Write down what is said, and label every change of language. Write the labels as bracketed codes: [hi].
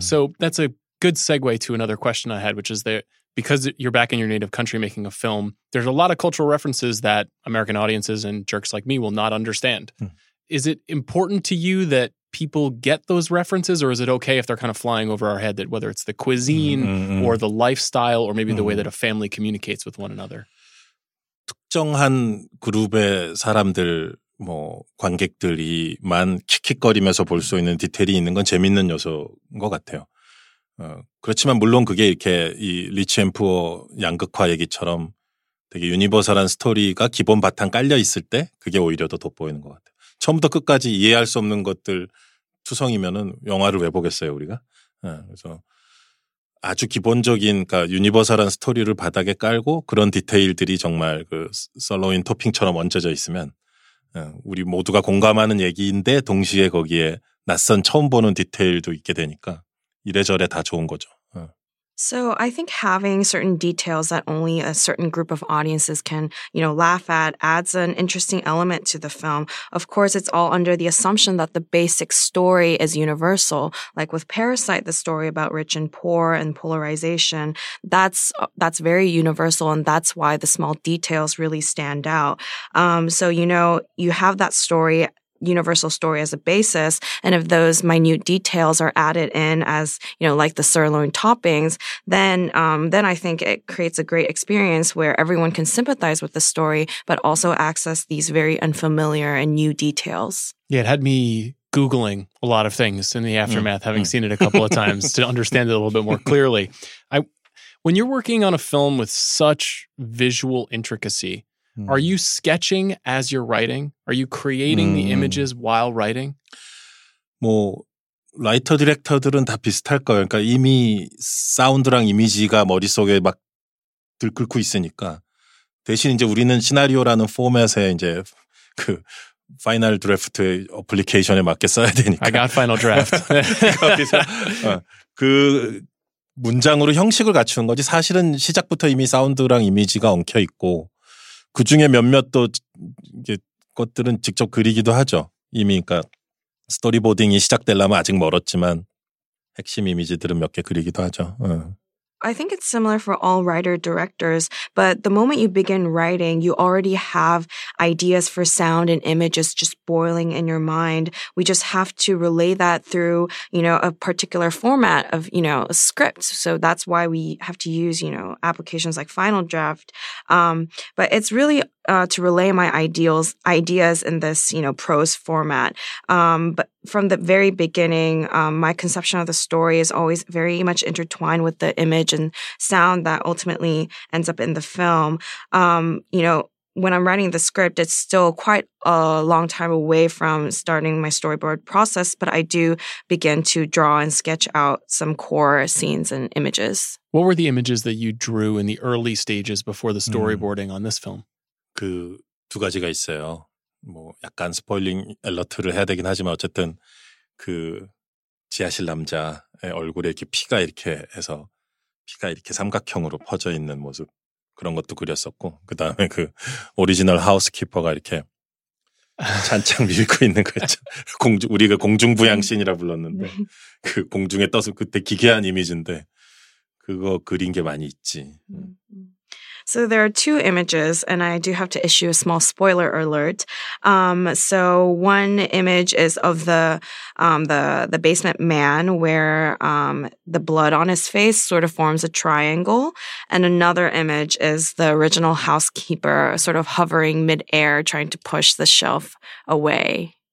[en] So that's a good segue to another question I had, which is that because you're back in your native country making a film, there's a lot of cultural references that American audiences and jerks like me will not understand. Is it important to you that people get those references, or is it okay if they're kind of flying over our head, that whether it's the cuisine or the lifestyle or maybe the way that a family communicates with one another? [ko] 특정한 그룹의 사람들, 뭐 관객들이만 킥킥거리면서 볼 수 있는 디테일이 있는 건 재밌는 요소인 것 같아요. 그렇지만 물론 그게 이렇게 이 리치 앤 푸어 양극화 얘기처럼 되게 유니버설한 스토리가 기본 바탕 깔려 있을 때 그게 오히려 더 돋보이는 것 같아요. 처음부터 끝까지 이해할 수 없는 것들 투성이면은 영화를 왜 보겠어요 우리가? 그래서 아주 기본적인 그러니까 유니버설한 스토리를 바닥에 깔고 그런 디테일들이 정말 그 썰로인 토핑처럼 얹혀져 있으면 우리 모두가 공감하는 얘기인데 동시에 거기에 낯선 처음 보는 디테일도 있게 되니까 이래저래 다 좋은 거죠. [en] So I think having certain details that only a certain group of audiences can, you know, laugh at adds an interesting element to the film. Of course, it's all under the assumption that the basic story is universal. Like with Parasite, the story about rich and poor and polarization, that's very universal, and that's why the small details really stand out. So, you know, you have that story, universal story as a basis, and if those minute details are added in as, you know, like the sirloin toppings, then I think it creates a great experience where everyone can sympathize with the story, but also access these very unfamiliar and new details. Yeah, it had me Googling a lot of things in the aftermath, having seen it a couple of times to understand it a little bit more clearly. When you're working on a film with such visual intricacy, are you sketching as you're writing? Are you creating the images while writing? [ko] 뭐 라이터 디렉터들은 다 비슷할 거예요. 그러니까 이미 사운드랑 이미지가 머릿속에 막 들끓고 있으니까 대신 이제 우리는 시나리오라는 포맷에 이제 그 파이널 드래프트 어플리케이션에 맞게 써야 되니까. [en] I got final draft. [ko] 거기서 그 문장으로 형식을 갖추는 거지 사실은 시작부터 이미 사운드랑 이미지가 엉켜 있고 그 중에 몇몇 또 것들은 직접 그리기도 하죠. 이미 그러니까 스토리보딩이 시작되려면 아직 멀었지만 핵심 이미지들은 몇 개 그리기도 하죠. [en] I think it's similar for all writer-directors, but the moment you begin writing, you already have ideas for sound and images just boiling in your mind. We just have to relay that through, you know, a particular format of, you know, a script. So that's why we have to use, you know, applications like Final Draft. But it's really to relay my ideas in this, you know, prose format. But from the very beginning, my conception of the story is always very much intertwined with the image and sound that ultimately ends up in the film. You know, when I'm writing the script, it's still quite a long time away from starting my storyboard process, but I do begin to draw and sketch out some core scenes and images. What were the images that you drew in the early stages before the storyboarding on this film? [ko] 그 두 가지가 있어요. 뭐 약간 스포일링 알러트를 해야 되긴 하지만 어쨌든 그 지하실 남자의 얼굴에 이렇게 피가 이렇게 해서 피가 이렇게 삼각형으로 퍼져 있는 모습 그런 것도 그렸었고 그다음에 그 오리지널 하우스키퍼가 이렇게 잔창 밀고 있는 거 있죠. 우리가 공중부양신이라 불렀는데 그 공중에 떠서 그때 기괴한 이미지인데 그거 그린 게 많이 있지. [en] So there are two images, and I do have to issue a small spoiler alert. So one image is of the basement man where the blood on his face sort of forms a triangle. And another image is the original housekeeper sort of hovering midair trying to push the shelf away.